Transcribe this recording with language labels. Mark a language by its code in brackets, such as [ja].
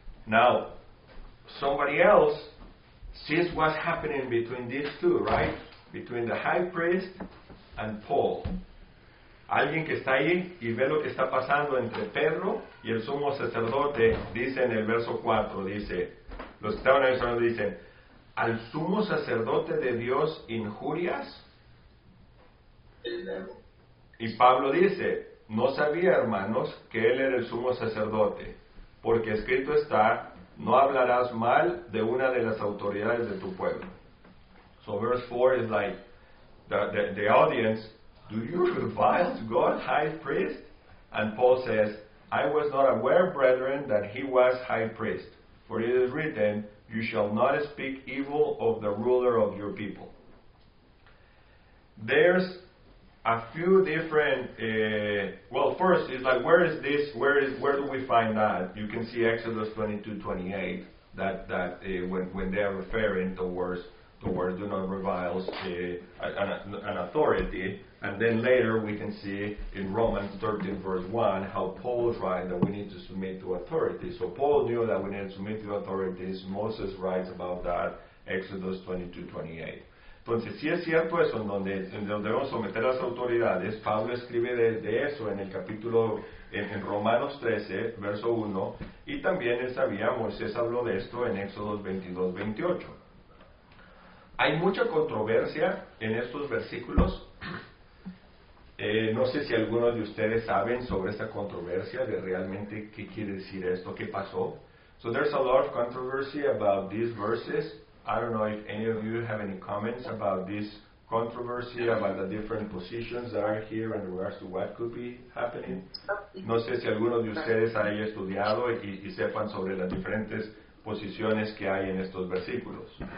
[en] Now, somebody else sees what's happening between these two, right? Between the high priest and Paul. [es] Alguien que está ahí y ve lo que está pasando entre Pedro y el sumo sacerdote, dice en el verso 4, dice, los que estaban ahí solo dicen, ¿al sumo sacerdote de Dios injurias? Y Pablo dice, no sabía, hermanos, que él era el sumo sacerdote, porque escrito está, no hablarás mal de una de las autoridades de tu pueblo. [en] So verse 4 is like, the audience, do you revile God high priest? And Paul says, I was not aware, brethren, that he was high priest. For it is written, you shall not speak evil of the ruler of your people. There's a few different, first, it's like, where do we find that? You can see Exodus 22:28, when they are referring towards do not revile an authority. And then later we can see in Romans 13 verse 1 how Paul writes that we need to submit to authority. So Paul knew that we need to submit to authorities. Moses writes about that, Exodus 22:28. [es] Entonces, sí es cierto eso, en donde debemos someter a las autoridades. Pablo escribe de eso en el capítulo, en Romanos 13, verso 1, y también él sabía, Moisés habló de esto en Éxodos 22, 28. Hay mucha controversia en estos versículos. No sé si algunos de ustedes saben sobre esta controversia, de realmente qué quiere decir esto, qué pasó. [en] So there's a lot of controversy about these verses. I don't know if any of you have any comments about this controversy, about the different positions that are here in regards to what could be happening. [es] No sé si alguno de ustedes haya estudiado y sepan sobre las diferentes posiciones que hay en estos versículos.